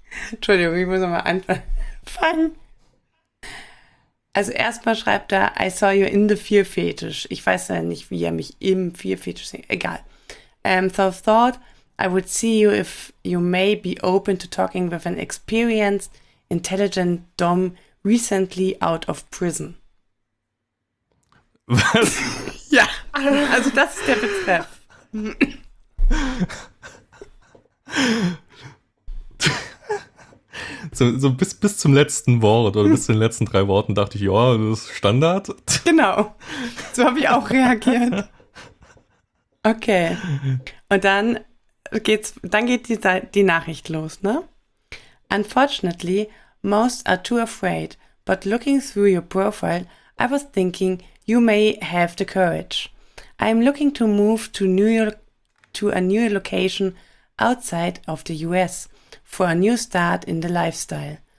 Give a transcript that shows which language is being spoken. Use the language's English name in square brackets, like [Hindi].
[German] Entschuldigung, ich muss nochmal anfangen. Also erstmal schreibt er, [English] I saw you in the fear fetish. [German] Ich weiß ja nicht, wie er mich im fear fetish sieht. Egal. [English] So thought I would see you if you may be open to talking with an experienced, intelligent Dom recently out of prison. [German] Was? Ja, also das ist der Betreff. So bis zum letzten Wort oder bis zu den letzten 3 Worten dachte ich, ja, das ist Standard. Genau, so habe ich auch reagiert. Okay, und dann geht die Nachricht los, ne? [English] Unfortunately, most are too afraid, but looking through your profile, I was thinking you may have the courage. I'm looking to move to a new location outside of the US for a new start in the lifestyle.